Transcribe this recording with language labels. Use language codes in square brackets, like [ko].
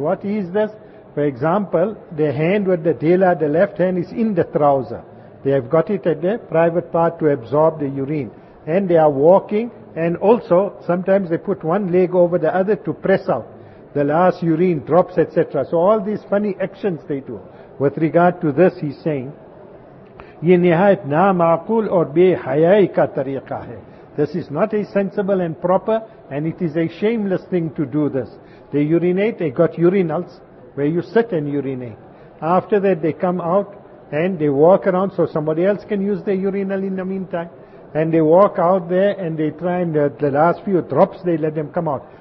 [en] What is this? For example the hand with the ڈھیلا, the left hand is in the trouser, they have got it at the private part to absorb the urine, and they are walking, and also sometimes they put one leg over the other to press out the last urine drops etcetera. So all these funny actions they do with regard to this he saying, [ur] یہ نہایت نامعقول اور بے حیائی کا طریقہ ہے. [en] This is not a sensible and proper, and it is a shameless thing to do this. They urinate, they got urinals, where you sit and urinate. After that, they come out, and they walk around, so somebody else can use their urinal in the meantime. And they walk out there, and they try, and the last few drops, they let them come out.